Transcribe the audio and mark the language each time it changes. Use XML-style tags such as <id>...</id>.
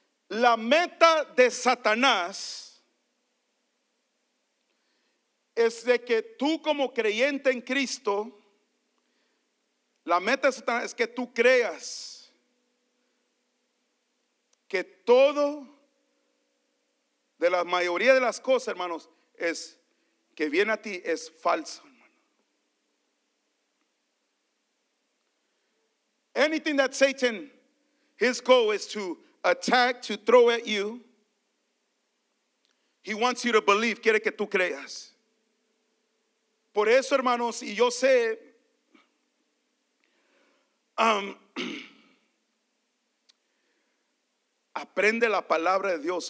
<es>La meta de Satanás es de que tú como creyente en Cristo, la meta es que tú creas que todo, de la mayoría de las cosas, hermanos, es que viene a ti es falso, hermano.</es> <en>Anything that Satan, his goal is to attack, to throw at you, he wants you to believe,</en> <es>quiere que tú creas. Por eso, hermanos, y yo sé, aprende la palabra de Dios.</es>